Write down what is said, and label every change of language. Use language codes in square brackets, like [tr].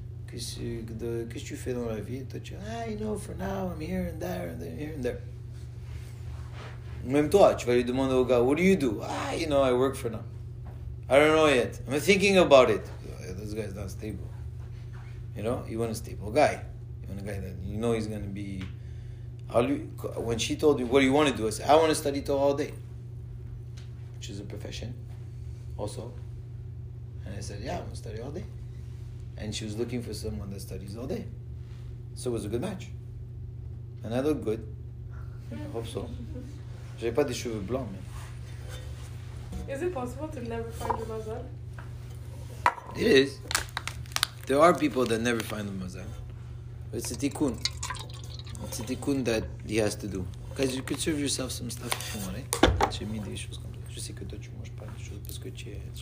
[fr] Qu'est-ce que tu fais dans la vie? Toi, tu dis, [en] ah, you know, for now, I'm here and there, and there, here and there. [fr] Même toi, tu vas lui demander au gars, [en] what do you do? Ah, you know, I work for now. I don't know yet. I'm thinking about it. This guy's not stable. You know, you want a stable guy. You want a guy that you know he's going to be... When she told me, what do you want to do? I said, I want to study Torah all day. Which is a profession, also. And I said, yeah, I'm going to study all day. And she was looking for someone that studies all day. So it was a good match. And I look good. I hope so. [fr] J'ai pas des cheveux blancs, mais... [en] Is it possible to never find a mazal? It is. There are people that never find a mazal. But it's a tikkun. It's a tikkun that he has to do. Because you could serve yourself some stuff if you want, right? [fr] J'ai mis des choses comme ça. Je sais que toi, tu manges pas des choses parce que tu es...